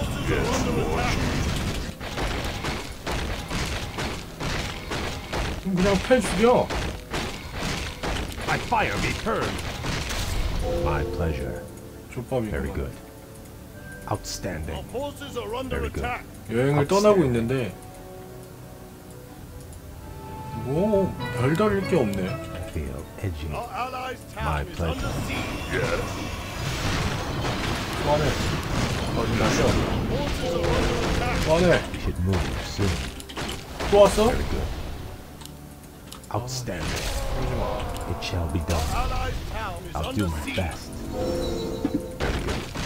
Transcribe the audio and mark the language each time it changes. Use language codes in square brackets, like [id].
[en] Yes, Lord. [ko] 그냥 패 죽여. [en] My fire be turned. My pleasure. [ko] 좆밥이구나. [en] Very good. Outstanding. Our forces are under attack. [ko] 여행을 떠나고 있는데 뭐 별다를 게 없네. [en] I feel edgy. Our allies' town is under siege. Yes. [ko] 빠네. 어디 가셔? [en] We should move soon. [ko] 또 왔어? [en] Very good. Outstanding. It shall be done. I'll do my best. Very good.